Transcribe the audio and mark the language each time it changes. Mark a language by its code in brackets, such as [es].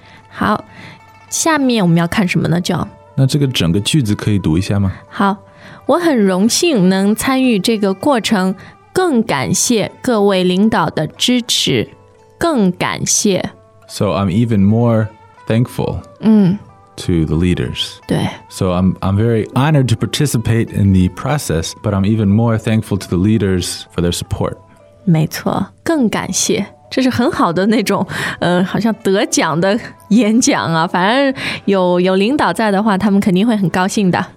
[zh] 好，下面我们要看什么呢？就那这个整个句子可以读一下吗？好。我很荣幸能参与这个过程，更感谢各位领导的支持，更感谢。 [en] So I'm even more thankful、嗯、 to the leaders. [zh] 对。 [en] So I'm very honored to participate in the process, but I'm even more thankful to the leaders for their support. [zh] 没错，更感谢。这是很好的那种好像得奖的演讲啊，反正有领导在的话，他们肯定会很高兴的。